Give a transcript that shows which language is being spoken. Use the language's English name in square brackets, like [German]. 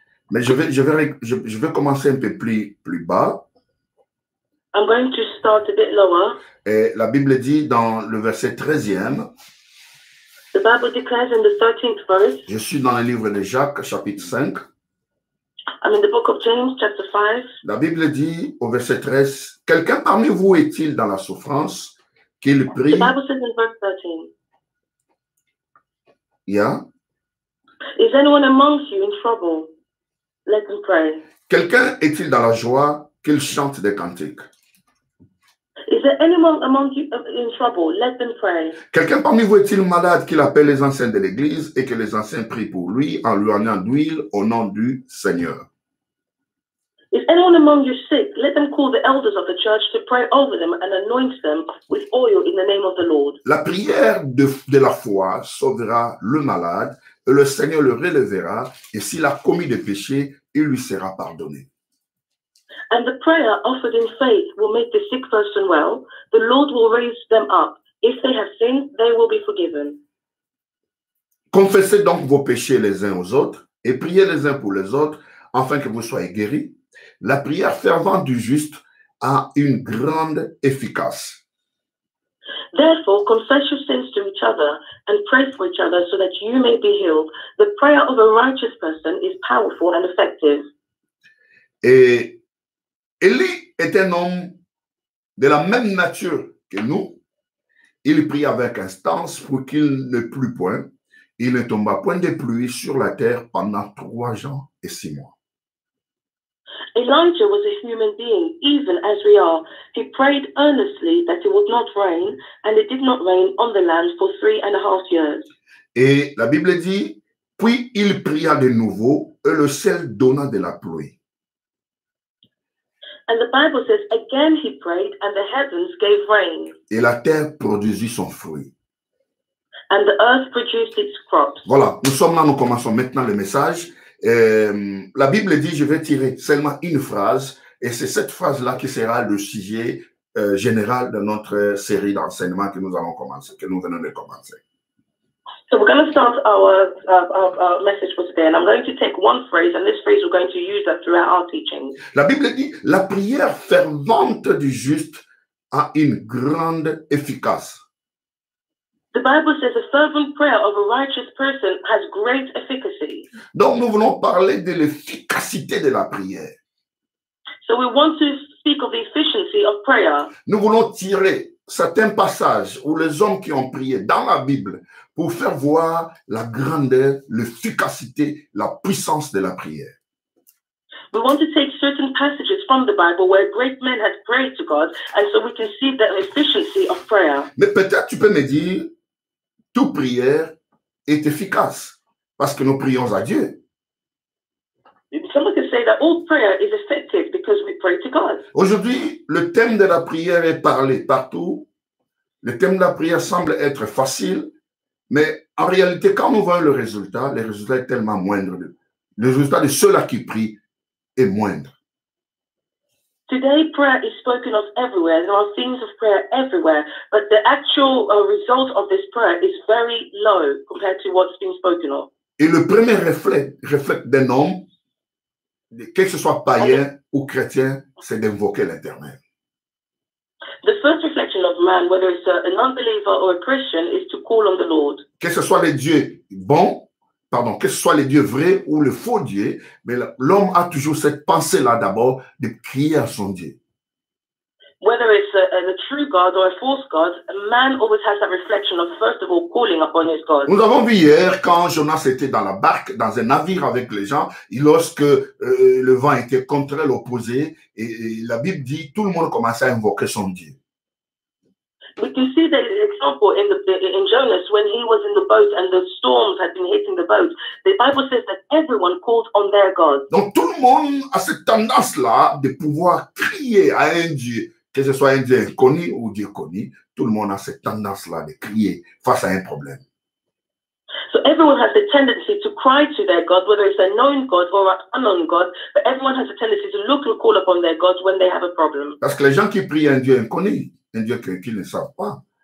[French] Mais je vais commencer un peu plus bas. [English] I'm going to start a bit lower. [French] Et la Bible dit dans le verset 13e. [English] The Bible declares in the 13th verse. [French] Je suis dans le livre de Jacques, chapitre 5. [English] I'm in the book of James, chapter 5. [French] La Bible dit au verset 13, quelqu'un parmi vous est-il dans la souffrance qu'il prie? [English] The Bible says in verse 13. Yeah. Is anyone among you in trouble? Let him pray. [French] Quelqu'un est-il dans la joie qu'il chante des cantiques? [English] Is there anyone among you in trouble? Let them pray. [French] Quelqu'un parmi vous est-il malade qu'il appelle les anciens de l'église et que les anciens prient pour lui en lui donnant d'huile au nom du Seigneur? [English] Is anyone among you sick? Let them call the elders of the church to pray over them and anoint them with oil in the name of the Lord. [French] La prière de la foi sauvera le malade et le Seigneur le relèvera, et s'il a commis des péchés, il lui sera pardonné. [English] And the prayer offered in faith will make the sick person well. The Lord will raise them up. If they have sinned, they will be forgiven. [French] Confessez donc vos péchés les uns aux autres et priez les uns pour les autres afin que vous soyez guéris. La prière fervente du juste a une grande efficace. [English] Therefore, confess your sins to each other and pray for each other so that you may be healed. The prayer of a righteous person is powerful and effective. [French] Et Élie est un homme de la même nature que nous. Il prie avec instance pour qu'il ne plût point. Il ne tomba point de pluie sur la terre pendant 3 ans et 6 mois. [English] Elijah was a human being, even as we are. He prayed earnestly that it would not rain, and it did not rain on the land for 3.5 years. [French] Et la Bible dit, puis il pria de nouveau, et le ciel donna de la pluie. [English] And the Bible says, again he prayed, and the heavens gave rain. [French] Et la terre produisit son fruit. [English] And the earth produced its crops. [French] Voilà, nous sommes là, nous commençons maintenant le message. La Bible dit, je vais tirer seulement une phrase, et c'est cette phrase-là qui sera le sujet général de notre série d'enseignements que nous allons commencer, que nous venons de commencer. [English] So we're going to start our message for today, and I'm going to take one phrase, and this phrase we're going to use that throughout our teaching. [French] La Bible dit, la prière fervente du juste a une grande efficace. [English] The Bible says a fervent prayer of a righteous person has great efficacy. [French] Donc nous voulons parler de l'efficacité de la prière. [English] So we want to speak of the efficiency of prayer. [French] Nous voulons tirer certains passages où les hommes qui ont prié dans la Bible pour faire voir la grandeur, l'efficacité, la puissance de la prière. [English] We want to take certain passages from the Bible where great men had prayed to God, and so we can see the efficiency of prayer. [French] Mais peut-être tu peux me dire, toute prière est efficace parce que nous prions à Dieu. [English] Someone can say that all prayer is effective because we pray to God. [French] Aujourd'hui, le thème de la prière est parlé partout. Le thème de la prière semble être facile. Mais en réalité, quand nous voyons le résultat est tellement moindre. Le résultat de ceux-là qui prient est moindre. [English] Today, prayer is spoken of everywhere. There are things of prayer everywhere. But the actual result of this prayer is very low compared to what's been spoken of. [French] Et le premier reflet d'un homme, que ce soit païen ou chrétien, c'est d'invoquer l'Éternel. [English] The first reflection of man, whether it's an unbeliever or a Christian, is to call on the Lord. [French] Que ce soit les dieux bons, pardon, que ce soit les dieux vrais ou les faux dieux, mais l'homme a toujours cette pensée-là d'abord de crier à son Dieu. [English] Whether it's a true God or a false God, man always has that reflection of first of all calling upon his God. [French] Nous avons vu hier quand Jonas était dans la barque, dans un navire avec les gens, et lorsque le vent était contraire, l'opposé, et la Bible dit tout le monde commençait à invoquer son Dieu. [English] We can see that, example, in Jonas, when he was in the boat and the storms had been hitting the boat, the Bible says that everyone called on their God. [French] Donc tout le monde a cette tendance-là de pouvoir crier à un Dieu, que ce soit un Dieu inconnu ou Dieu connu, tout le monde a cette tendance-là de crier face à un problème. [English] So everyone has the tendency to cry to their God, whether it's a known God or an unknown God, but everyone has a tendency to look and call upon their God when they have a problem. [French] Parce que les gens qui prient un Dieu inconnu, un Dieu qu'ils ne savent pas.